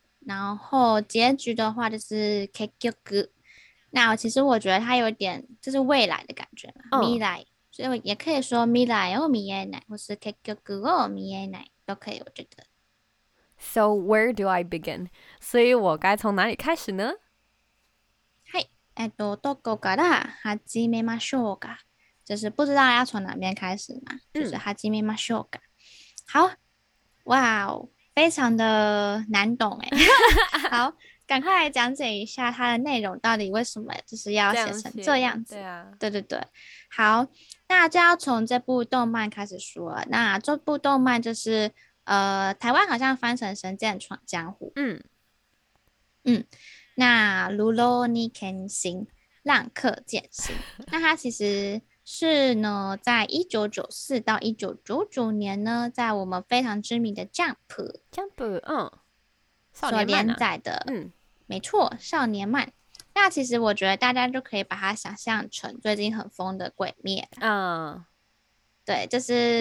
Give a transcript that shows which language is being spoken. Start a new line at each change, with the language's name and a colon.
Chinese: 然后结局的话就是結局。那其实我觉得它有点就是未来的感觉嘛，未来，所以也可以说
Japanese: 未来を見えない，
Chinese: 或是
Japanese: 結局を見えない
Chinese: 都可以，我觉得。
English: So where do I begin?
Chinese: 所以我该从哪里开始呢？
Japanese: はい、どこから始めましょうか？
Chinese: 就是不知道要从哪边开始嘛，就是
Japanese: 始めましょうか。
Chinese: 好，哇哦，非常的难懂哎。好，赶快来讲解一下它的内容，到底为什么就是要写成这样子？对啊，对对对。好，那就要从这部动漫开始说了。那这部动漫就是。台湾好像翻成神剑闯江湖。嗯嗯，那《Rurouni Kenshin》 浪客剑心。那他其实是呢，在1994到1999年呢，在我们非常知名的 Jump 少年漫、啊、所连载的，没错，少年漫。那其实我觉得大家就可以把它想象成最近很疯的鬼灭，对，就是